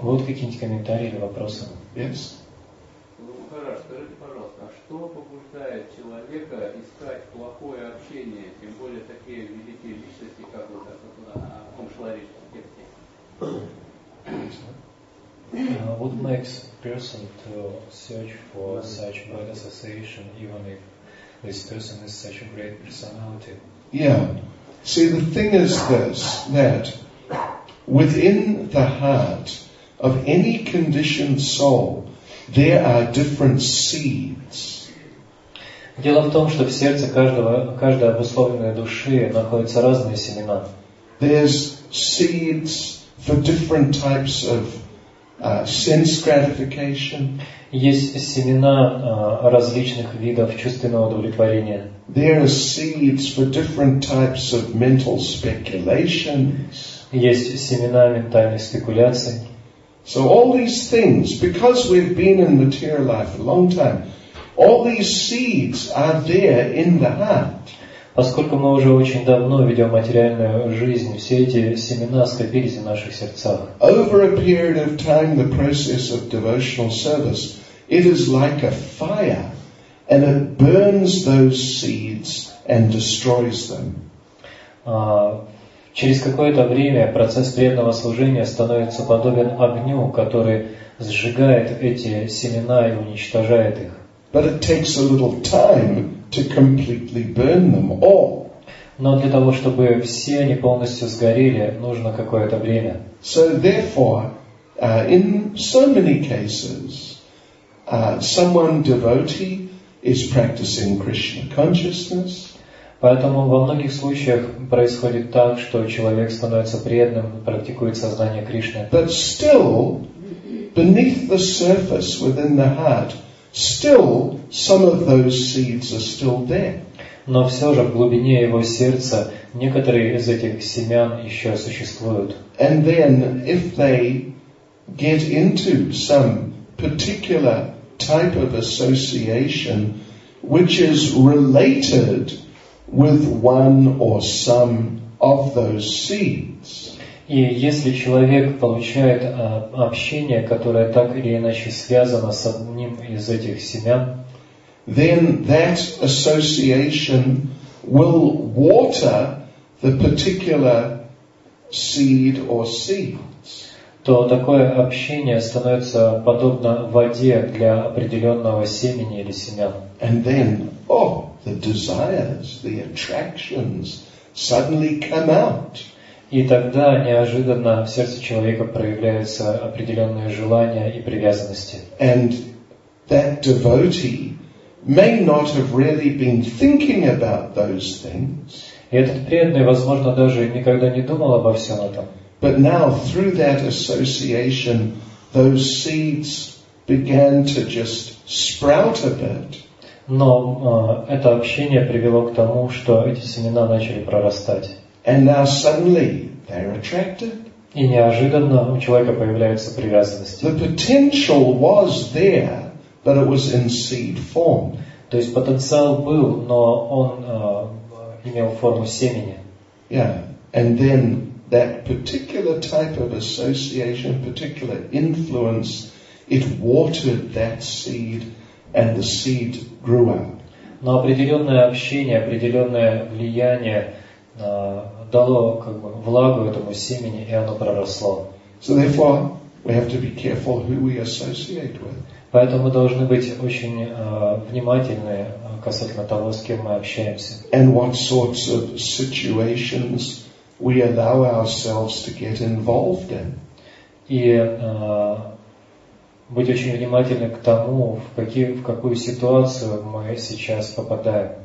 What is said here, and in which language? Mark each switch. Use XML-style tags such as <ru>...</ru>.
<ru>Вот какие-нибудь комментарии или вопросы?</ru> <en>Yes.</en> <ru>Ну хорошо, скажите, пожалуйста, а что побуждает человека искать плохое общение, тем более такие великие личности, как вот о ком шла речь?</ru> <en>What makes a person to search for such bad association, even if this person is such a great personality? Yeah. See, the thing is this, that within the heart of any conditioned soul, there are different seeds.</en> <ru>Дело в том, что в сердце каждой обусловленной души находятся разные семена.</ru> <en>There's seeds for different types of sense gratification.</en> <ru>Есть семена различных видов чувственного удовлетворения.</ru> <en>There are seeds for different types of mental speculations.</en> <ru>Есть семена ментальной спекуляции.</ru> <en>So all these things, because we've been in material life a long time, all these seeds are there in the heart.</en> <ru>Поскольку мы уже очень давно ведем материальную жизнь, все эти семена скопились в наших сердцах.</ru> <en>Over a period of time, the process of devotional service, it is like a fire, and it burns those seeds and destroys them.</en> <ru>Через какое-то время процесс преданного служения становится подобен огню, который сжигает эти семена и уничтожает их.</ru> <en>But it takes a little time to completely burn them all.</en> <ru>Но для того, чтобы все они полностью сгорели, нужно какое-то время.</ru> <en>So therefore, in so many cases, someone devotee is practicing Krishna consciousness.</en> <ru>Поэтому во многих случаях происходит так, что человек становится преданным, практикует сознание Кришны.</ru> <en>But still, beneath the surface within the heart, still some of those seeds are still there.</en> <ru>Но все же в глубине его сердца некоторые из этих семян еще существуют.</ru> <en>And then if they get into some particular type of association which is related with one or some of those seeds.</en> <ru>И если человек получает общение, которое так или иначе связано с одним из этих семян,</ru> <en>then that association will water the particular seed or seeds.</en> <ru>То такое общение становится подобно воде для определенного семени или семян.</ru> <en>And then, oh, the desires, the attractions suddenly come out.</en> <ru>И тогда неожиданно в сердце человека проявляются определенные желания и привязанности.</ru> <en>And that devotee may not have really been thinking about those things.</en> <ru>И этот преданный, возможно, даже никогда не думал обо всем этом.</ru> <en>But now, through that association, those seeds began to just sprout a bit.</en> <ru>Но это общение привело к тому, что эти семена начали прорастать.</ru> <en>And now suddenly they're attracted.</en> <ru>И неожиданно у человека появляются привязанности.</ru> <en>The potential was there, but it was in seed form.</en> <ru>То есть потенциал был, но он имел форму семени.</ru> <en>Yeah. And then that particular type of association, particular influence, it watered that seed and the seed grew up.</en> <ru>Но определенное общение, определенное влияние дало как бы влагу этому семени, и оно проросло.</ru> <en>So therefore, we have to be careful who we associate with.</en> <ru>Поэтому мы должны быть очень внимательны касательно того, с кем мы общаемся.</ru> <en>And what sorts of situations we allow ourselves to get involved in.</en> <ru>И быть очень внимательны к тому, в какую ситуацию мы сейчас попадаем.</ru>